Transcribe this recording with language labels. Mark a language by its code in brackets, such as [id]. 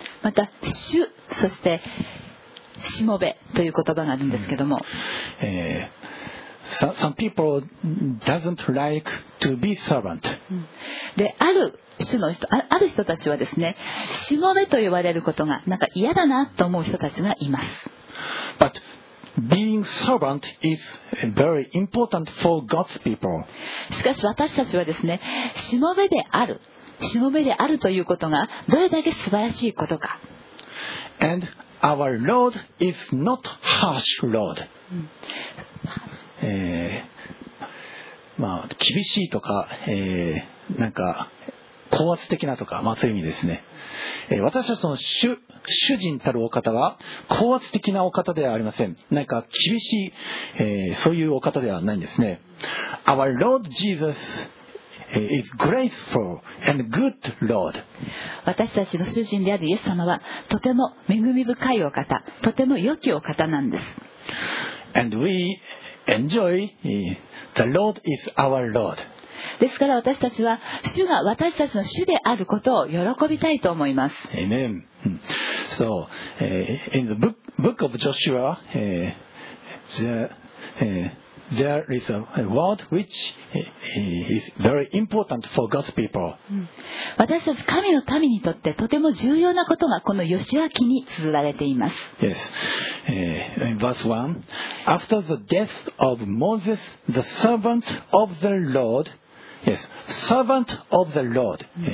[ja] また、主、そして、しもべという言葉があるんですけども、 [en] some people doesn't like to be servant. [ja] で、ある種の人、ある人たちはですね、しもべと言われることがなんか嫌だなと思う人たちがいます。 [en] But being servant is very important for God's people. [ja] しかし私たちはですね、しもべである、しもべであるということがどれだけ素晴らしいことか。 [en] And Our Lord is not harsh Lord. [ja] まあ厳しいとか、なんか高圧的なとか、まあそういう意味ですね。私たちの主人たるお方は高圧的なお方ではありません。なんか厳しい、そういうお方ではないんですね。 [en] Our Lord Jesus is graceful and good Lord. [ja] 私たちの主人であるイエス様はとても恵み深いお方、とても良きお方なんです。 [en] And we enjoy the Lord is our Lord. [ja] ですから私たちは主が私たちの主であることを喜びたいと思います。 [en] Amen. So, in the book of Joshua, the there is a word which is very important for God's people. [ja] 私たち神の民にとってとても重要なことがこのヨシュア記に綴られています。 [en] Yes. Verse 1. After the death of Moses, the servant of the Lord, yes, servant of the Lord.